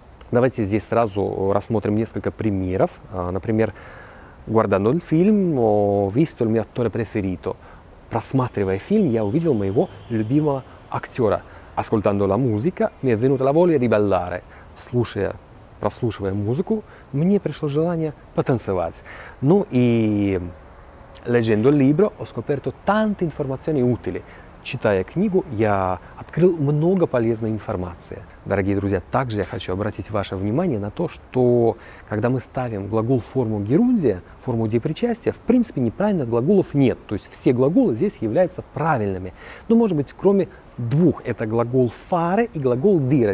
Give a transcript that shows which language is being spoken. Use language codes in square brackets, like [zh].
[ru] Давайте здесь сразу рассмотрим несколько примеров. Например, [it] guardando il film ho visto il mio attore preferito. [ru] Просматривая фильм, я увидел моего любимого актера. [it] Ascoltando la musica, mi è venuta la voglia di ballare. [ru] Слушая, прослушивая музыку, мне пришло желание потанцевать. Ну и [it] leggendo il libro ho scoperto tante informazioni utili. [ru] Читая книгу, я открыл много полезной информации. Дорогие друзья, также я хочу обратить ваше внимание на то, что когда мы ставим глагол в форму герундия, форму деепричастия, в принципе, неправильных глаголов нет. То есть все глаголы здесь являются правильными. Но, может быть, кроме двух, это глагол «fare» и глагол «dire».